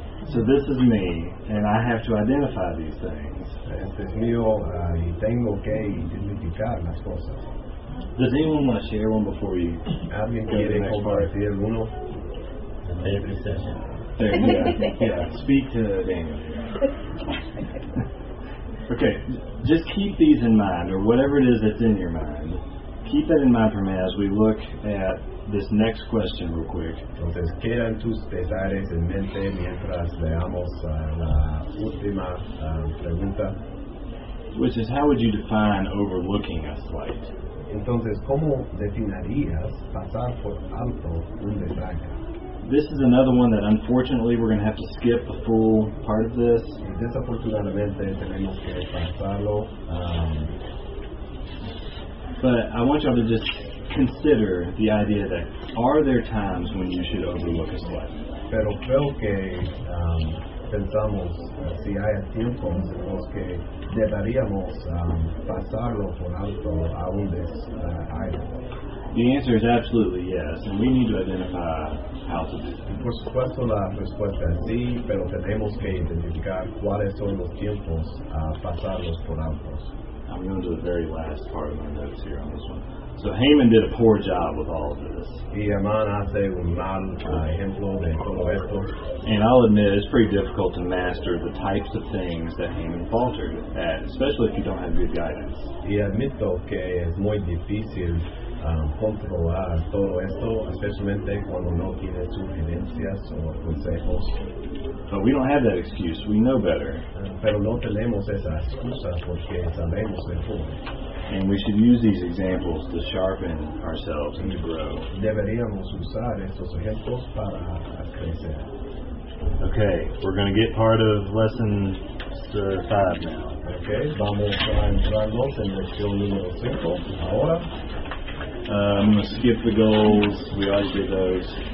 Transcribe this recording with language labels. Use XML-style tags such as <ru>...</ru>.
<en>So this is me, and I have to identify these things.</en> <es>Este es mío, y tengo que identificar las cosas.</es> <en>Does anyone want to share one before you?</en> <es>Alguien quiere compartir uno.</es> <en>Every session. There, yeah. Speak to Daniel. Okay, just keep these in mind, or whatever it is that's in your mind. Keep that in mind for me as we look at this next question real quick.</en> <es>Entonces, quedan tus pesares en mente mientras leamos la última pregunta.</es> <en>Which is, how would you define overlooking a slight?</en> <es>Entonces, ¿cómo definirías pasar por alto un detalle?</es> <en>This is another one that unfortunately we're going to have to skip the full part of this.</en> <es>Y desafortunadamente tenemos que pasarlo.</es> <en>But I want y'all to just consider the idea that are there times when you should overlook a slight?</en> <es>Pero creo que pensamos si hay tiempos en los que deberíamos pasarlo por alto a un desaire.</es> <en>The answer is absolutely yes, and we need to identify how to do that.</en> <es>Por supuesto, la respuesta es sí, pero tenemos que identificar cuáles son los tiempos a pasarlos por alto.</es> <en>I'm going to the very last part of my notes here on this one. So Haman did a poor job with all of this.</en> <es>Y Amán hace un mal ejemplo de todo esto.</es> <en>And I'll admit, it's pretty difficult to master the types of things that Haman faltered at, especially if you don't have good guidance.</en> <es>Y admito que es muy difícil controlar todo esto, especialmente cuando no tienes sugerencias o consejos.</es> <en>But we don't have that excuse. We know better.</en> <es>Pero no tenemos esa excusa porque sabemos mejor.</es> <en>And we should use these examples to sharpen ourselves and to grow.</en> <es>Deberíamos usar estos ejemplos para crecer.</es> <en>Okay, we're going to get part of lesson 5 now.</en> <es>Okay, vamos a entrarnos en lección número 5 ahora.</es> <en>I'm going to skip the goals. We always get those.</en>